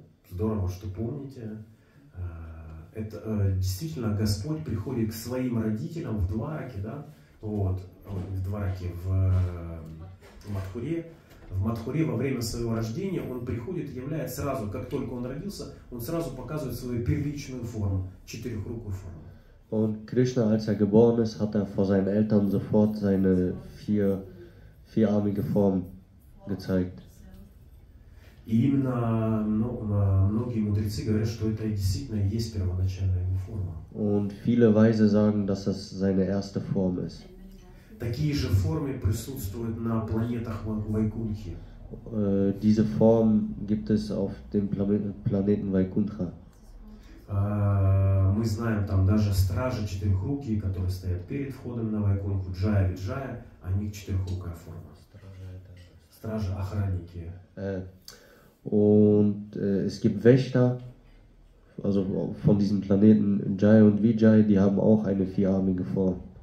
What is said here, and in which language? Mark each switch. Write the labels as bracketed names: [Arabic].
[Russian] Здорово, что помните. Это действительно Господь приходит к своим родителям в Двараке, да? Вот, в Двараке, в Матхуре. В Матхуре во время своего рождения он приходит, являет сразу, как только он родился, он сразу показывает свою первичную форму, четырехрукую форму. [German] Und Krishna, als geboren ist, hat vor seinen Eltern sofort seine vierarmige Form gezeigt. [Russian] Именно многие мудрецы говорят, что это действительно есть первоначальная его форма. [German] Und viele Weise sagen, dass das seine erste Form ist. [Russian] Такие же формы присутствуют на планетах Вайкунхи. [German] Diese Form gibt es auf dem Planeten Vaikuntha. [Russian] Мы знаем, там даже стражи четырехрукие, которые стоят перед входом на Вайкунху, Джая Виджая, они четырехрукая форма. Стражи, охранники. [German] Und es gibt Wächter, also von diesen Planeten Джая und Виджая, die haben auch eine vierarmige Form.